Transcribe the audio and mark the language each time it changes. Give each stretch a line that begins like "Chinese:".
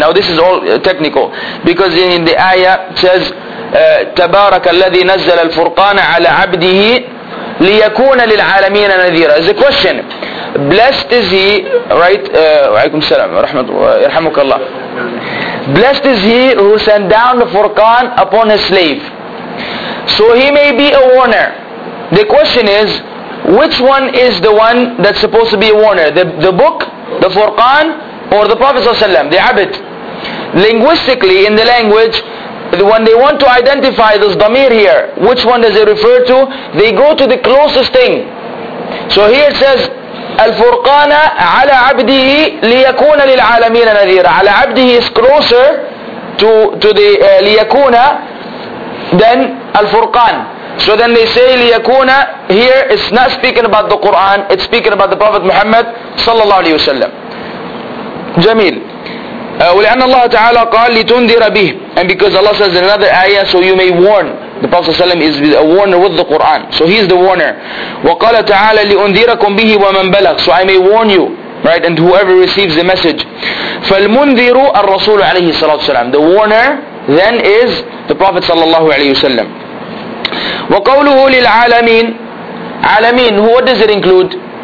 English: Now this is all technical, because in the ayah it says
Arabic: تبارك الذي نزل الفرقان على عبده ليكون للعالمين نذيرا.
English: It's a question. Blessed is he, right?
Arabic: وعليكم السلام ورحمة الله يرحمك الله.
English: Blessed is he who sent down the Furqan upon his slave. So he may be a warner. The question is, which one is the one that's supposed to be a warner? The book, the Furqan, or the Prophet ﷺ, the Abid? Linguistically, in the language, when they want to identify this damir here, which one does it refer to? They go to the closest thing. So here it says,
Arabic: الفرقان على عبده ليكون للعالمين نذيرا.
English: على عبده is closer to the ليكون than الفرقان. So then they say ليكون here is not speaking about the Quran, it's speaking about the Prophet Muhammad
Arabic: صلى الله عليه وسلم. جميل. ولأن الله تعالى قال لتنذر به,
English: and because Allah says in another ayah, so you may warn. The Prophet ﷺ is a warner with the Quran, so he's the warner.
Arabic: وقال تعالى لأنذركم به ومن بلغ,
English: so I may warn you, right, and whoever receives the message.
Arabic: فالمنذر الرسول عليه الصلاة والسلام.
English: The warner then is the Prophet
Arabic: صلى الله عليه وسلم. وقوله للعالمين.
English: عالمين, what does it include?